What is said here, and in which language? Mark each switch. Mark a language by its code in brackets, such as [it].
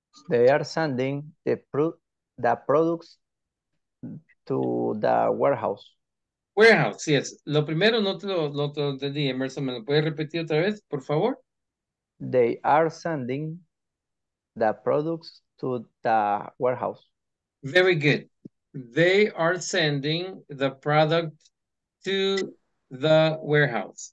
[en] They are sending the products to the warehouse. Warehouse, yes. [es] Lo primero no te lo entendí, Emerson, ¿me lo puedes repetir otra vez, por favor? [en] They are sending the products to the warehouse. Very good. They are sending the product to the warehouse.